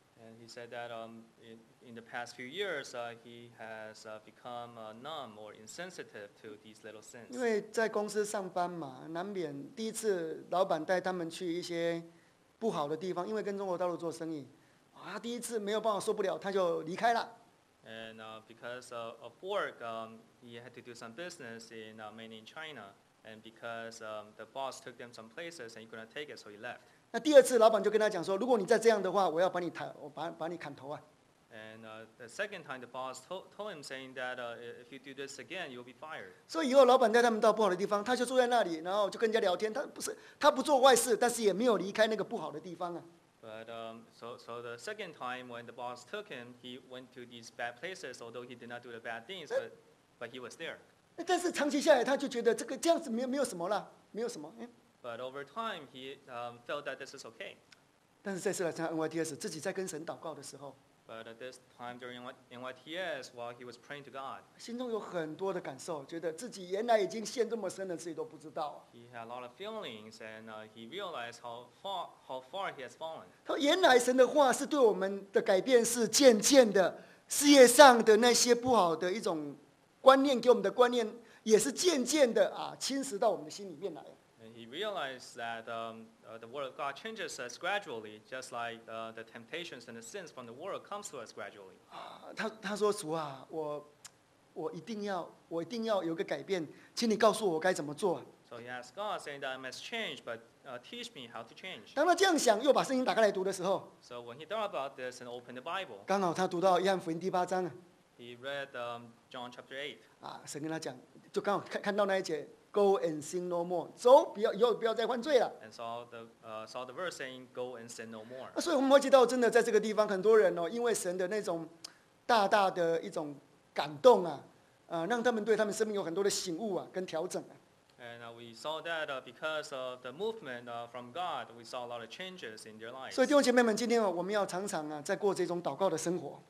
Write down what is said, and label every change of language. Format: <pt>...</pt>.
<en>And he said that in the past few years, he has become numb or insensitive to these little sins.</en> <zh>因为在公司上班嘛，难免第一次老板带他们去一些不好的地方，因为跟中国大陆做生意，第一次没有办法受不了，他就离开了。</zh> <en>And because of work, he had to do some business in mainland China. And because the boss took them some places and he couldn't take it, so he left.</en> <zh>那第二次，老板就跟他讲说，如果你再这样的话，我要把你砍头啊。</zh> <en>And the second time, the boss told him saying that if you do this again, you'll be fired.</en> <zh>所以以后老板带他们到不好的地方，他就住在那里，然后就跟人家聊天。他不做坏事，但是也没有离开那个不好的地方啊。</zh> <en>But so the second time when the boss took him, he went to these bad places, although he did not do the bad things, but he was there.</en> <zh>但是长期下来，他就觉得这个这样子没有什么了，没有什么。</zh> <en>But over time, he felt that this is okay.</en> <zh>但是这次来参加 NYTS， 自己在跟神祷告的时候</zh> <en>，But at this time during NYTS, while he was praying to God,</en> <zh>心中有很多的感受，觉得自己原来已经陷这么深了，自己都不知道。</zh> <en>He had a lot of feelings, and he realized how far he has fallen.</en> <zh>他原来神的话是对我们的改变是渐渐的，事业上的那些不好的一种观念给我们的观念，也是渐渐的啊侵蚀到我们的心里面来。</zh> <en>And he realized that the word of God changes us gradually, just like the temptations and the sins from the world comes to us gradually.</en> <zh>他说主啊，我一定要有个改变，请你告诉我该怎么做。</zh> <en>So he asked God, saying that I must change, but teach me how to change.</en> <zh>当他这样想，又把圣经打开来读的时候</zh> <en>，So when he thought about this and opened the Bible,</en> <zh>刚好他读到约翰福音第八章</zh> <en>He read John chapter 8.</en> <zh>神跟他讲，就刚好看到那一节 ，</zh> <en>Go and sin no more.</en> <zh>走，不要再犯罪了。</zh> <en>And saw the verse saying, Go and sin no more.</en> <zh>所以我们会知道，真的在这个地方，很多人哦，因为神的那种大大的一种感动啊，让他们对他们生命有很多的醒悟啊，跟调整啊。</zh> <en>And we saw that because of the movement from God, we saw a lot of changes in their lives.</en> <zh>所以弟兄姐妹们，今天我们要常常在过这种祷告的生活。</zh>